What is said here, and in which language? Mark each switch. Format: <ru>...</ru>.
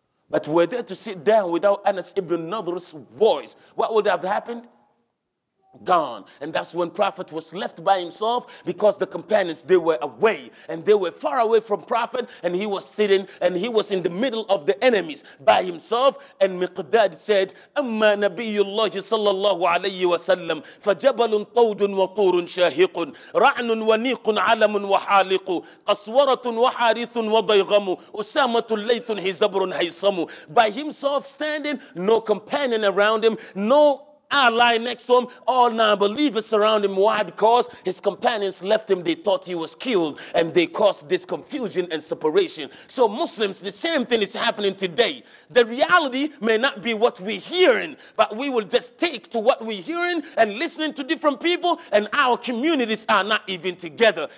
<en>But were there to sit down without Anas ibn Nadr's voice, what would have happened? Gone. And that's when Prophet was left by himself because the companions, they were away and they were far away from Prophet, and he was sitting and he was in the middle of the enemies by himself. And Miqdad said,</en> <ar>أما نبي الله صلى الله عليه وسلم فجبل طود وطور شاهق رعن ونيق علم وحالق قصورة وحارث وضيغم أسامة ليث هزبر هيصم.</ar> <en>By himself standing, no companion around him, no ally next to him, all non-believers around him. Why? Because his companions left him. They thought he was killed and they caused this confusion and separation. So Muslims, the same thing is happening today. The reality may not be what we're hearing, but we will just stick to what we're hearing and listening to different people, and our communities are not even together.</en>